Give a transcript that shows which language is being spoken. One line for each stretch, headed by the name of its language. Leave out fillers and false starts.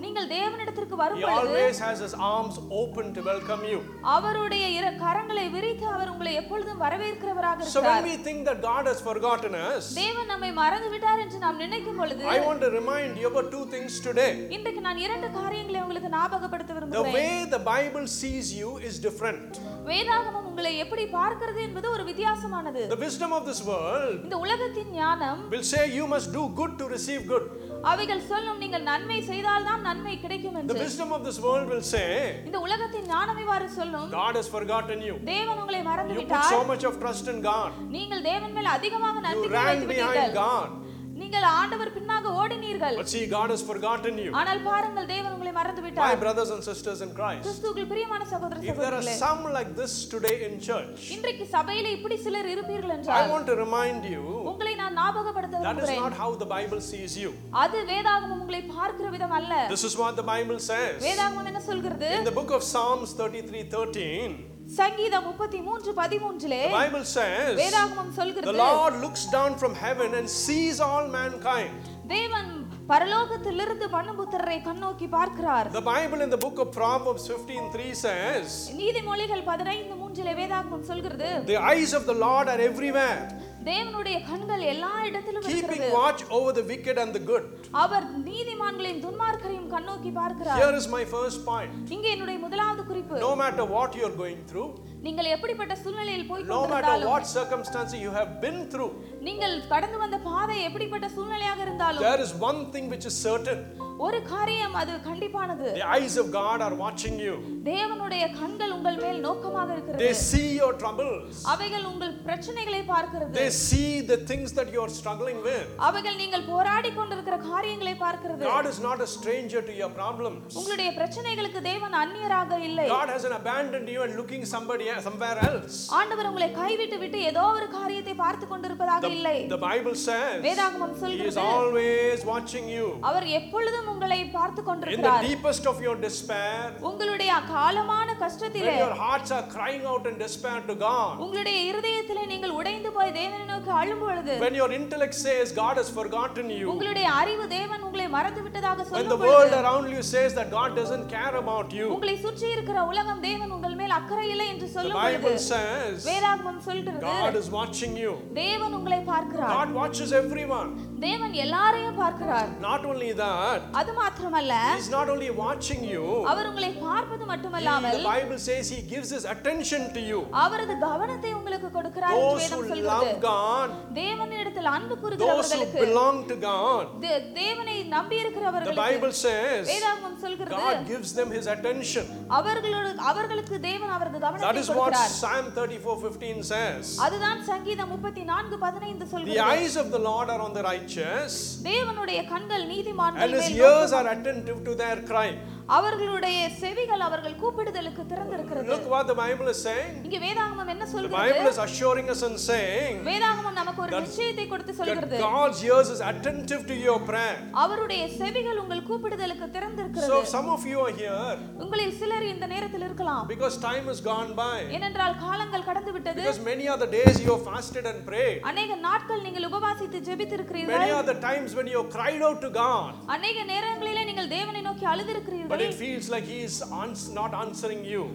Tamil: நீங்கள் தேவனிடத்திற்கு வரும் பொழுது,
English: he always has his arms open to welcome you.
Tamil: அவருடைய இரு கரங்களை விரித்து அவர் உங்களை எப்பொழுதும் வரவேற்கிறவராக இருக்கிறார்.
English: So when we think that God has forgotten us,
Tamil: தேவன் நம்மை மறந்து விட்டார் என்று நாம் நினைக்கும் பொழுது,
English: I want to remind you about two things today.
Tamil: நான் இரண்டு காரியங்களை உங்களுக்கு ஞாபகப்படுத்த விரும்புகிறேன்.
English: The way the Bible sees you is different.
Tamil: வேதாகமம் உங்களை எப்படி பார்க்கிறது என்பது ஒரு வித்தியாசமானது.
English: The wisdom of this world,
Tamil: இந்த உலகத்தின் ஞானம்,
English: will say you must do good to receive good.
Tamil: அவைகள் சொல்லும் நீங்கள் நன்மை செய்தால் தான் நன்மை கிடைக்கும் என்று.
English: The wisdom of this world will say,
Tamil: இந்த உலகத்தின் ஞானமேவாறு சொல்லும்,
English: God has forgotten you.
Tamil: தேவன் உங்களை மறந்து விட்டார்.
English: You put so much of trust in God.
Tamil: நீங்கள் தேவன் மேல் அதிகமாக நம்பிக்கை வைத்துவிட்டீர்கள்.
English: You ran behind God.
Tamil: நீங்கள் ஆண்டவர் பின்னாக ஓடினீர்கள்.
English: But see, God has forgotten you.
Tamil: ஆனால் பாருங்கள், தேவன் உங்களை மறந்து விட்டார்.
English: My brothers and sisters in Christ.
Tamil: கிறிஸ்துவுக்குள் பிரியமான சகோதர சகோதரிகளே.
English: If there are some like this today in church.
Tamil: இன்றைக்கு சபையிலே இப்படி சிலர் இருப்பீர்கள் என்றால்.
English: I want to remind you.
Tamil: உங்களை நான் ஞாபகப்படுத்த விரும்புகிறேன்.
English: That is not how the Bible sees you.
Tamil: அது வேதாகமம் உங்களை பார்க்கிற விதம் அல்ல.
English: This is what the Bible says.
Tamil: வேதாகமம் என்ன சொல்கிறது?
English: In the book of Psalms 33:13.
Tamil: சங்கீதம் 33:13
English: The Bible says,
Tamil: வேதாகமம் சொல்கிறது,
English: The Lord looks down from heaven and sees all mankind.
Tamil: தேவன் பரலோகத்திலிருந்து மனுபுத்திரரை கண்ணோக்கி பார்க்கிறார்.
English: The Bible in the book of Proverbs 15:3 says,
Tamil: நீதிமொழிகள் 15:3 வேதாகமம் சொல்கிறது,
English: The eyes of the Lord are everywhere.
Tamil: தேவனுடைய கண்கள் எல்லா இடத்திலும் இருக்கிறது.
English: Keeping watch over the wicked and the good.
Tamil: அவர் நீதிமான்களையும் துன்மார்க்கரையும் கண்ணோக்கி பார்க்கிறார்.
English: Here is my first point.
Tamil: இங்கே என்னுடைய முதலாவது குறிப்பு.
English: No matter what you are going through,
Tamil: நீங்கள் எப்படிப்பட்ட சூழ்நிலையில் போய் கொண்டிருந்தாலும்
English: no matter what circumstances you have been through
Tamil: நீங்கள் கடந்து வந்த பாதை எப்படிப்பட்ட சூழ்நிலையாக இருந்தாலும்
English: there is one thing which is certain
Tamil: ஒரு காரியம் அது கண்டிப்பானது
English: the eyes of god are watching you
Tamil: தேவனுடைய கண்கள் உங்கள் மேல் நோக்கமாக இருக்கிறது
English: they see your troubles
Tamil: அவைகள் உங்கள் பிரச்சனைகளை பார்க்கிறது
English: they see the things that you are struggling with
Tamil: அவைகள் நீங்கள் போராடிக் கொண்டிருக்கிற காரியங்களை பார்க்கிறது
English: god is not a stranger to your problems
Tamil: உங்களுடைய பிரச்சனைகளுக்கு தேவன் அந்நியராக இல்லை
English: god has an abandoned you and looking somebody somewhere else
Tamil: ஆண்டவர் உங்களை கைவிட்டு விட்டு ஏதோ ஒரு காரியத்தை பார்த்துக் கொண்டிருப்பதாக இல்லை
English: the bible says
Tamil: வேதாகமம் சொல்கிறது
English: he is always watching you
Tamil: அவர் எப்பொழுதும் உங்களை பார்த்துக் கொண்டிருக்கிறார்
English: in the deepest of your despair
Tamil: உங்களுடைய காலமான கஷ்டத்திலே
English: your hearts are crying out in despair to god
Tamil: உங்களுடைய இதயத்திலே நீங்கள் உடைந்து போய் தேவனை நோக்கி அழும் பொழுது
English: when your intellect says god has forgotten you
Tamil: உங்களுடைய அறிவு தேவன் உங்களை மறந்து விட்டதாக சொல்லும் பொழுது
English: when the world around you says that god doesn't care about you
Tamil: உங்களை சுற்றி இருக்கிற உலகம் தேவன் உங்கள் மேல் அக்கறை இல்லை என்று சொல்லும் பொழுது வேதாகமம் சொல்கிறது
English: god is watching you
Tamil: தேவன் உங்களை பார்க்கிறார்
English: god watches everyone
Tamil: தேவன் எல்லாரையும் பார்க்கிறார்
English: not only that
Tamil: அது மட்டுமல்ல
English: he is not only watching you
Tamil: அவர் உங்களை பார்ப்பது மட்டுமல்லாமல்
English: the bible says he gives his attention to you
Tamil: அவரது கவனத்தை உங்களுக்கு கொடுக்கிறார் என்று வேதம் சொல்கிறது
English: those who love god
Tamil: தேவனின் இடத்தில் அன்பு கூறுகிறவர்களுக்கு
English: those who belong to god
Tamil: தேவனை நம்பி இருக்கிறவர்களுக்கு
English: the bible says
Tamil: வேதம் சொல்கிறது
English: god gives them his attention
Tamil: அவர்களுக்கு அவர்களுக்கு தேவன் அவரது கவனத்தை கொடுக்கிறார்
English: that is what psalm 34:15 says
Tamil: அதுதான் சங்கீதம் 34:15 சொல்கிறது
English: the eyes of the lord are on the right righteous
Tamil: தேவனுடைய கண்கள் நீதிமான்கள் மேல்
English: and his ears are attentive to their cry
Tamil: அவர்களுடைய செவிகள் அவர்கள் கூப்பிடுதலுக்கு திறந்திருக்கிறது
English: look what the bible is saying
Tamil: இங்கே வேதாகமம் என்ன சொல்கிறது
English: the bible is assuring us and saying
Tamil: வேதாகமம் நமக்கு ஒரு நிச்சயத்தை கொடுத்து சொல்கிறது
English: god's ears is attentive to your prayer
Tamil: அவருடைய செவிகள் உங்கள் கூப்பிடுதலுக்கு திறந்திருக்கிறது
English: so some of you are here
Tamil: உங்களில் சிலர் இந்த நேரத்தில் இருக்கலாம்
English: because time has gone by
Tamil: ஏனென்றால் காலங்கள் கடந்து விட்டது
English: because many are the days you have fasted and prayed
Tamil: अनेक நாட்கள் நீங்கள் உபவாசித்து ஜெபித்திருக்கிறீர்கள்
English: many are the times when you have cried out to god
Tamil: अनेक நேரங்களில் நீங்கள் தேவனை நோக்கி அழுதிருக்கிறீர்கள்
English: but it feels like he is not answering you